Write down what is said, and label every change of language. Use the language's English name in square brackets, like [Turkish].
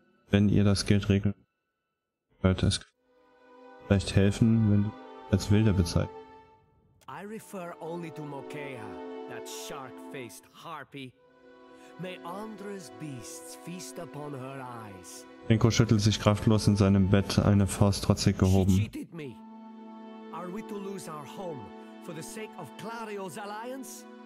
[German] Wenn ihr das Geld regeln könnt, es vielleicht helfen, wenn du als Wilder bezeichnet. [English] I refer only to Mokea, that shark-faced harpy. May Andres beasts feast upon her eyes. [German] Rinko schüttelt sich kraftlos in seinem Bett, eine Faust trotzig gehoben. [English] She cheated me. Are we to lose our home for the sake of Clario's alliance?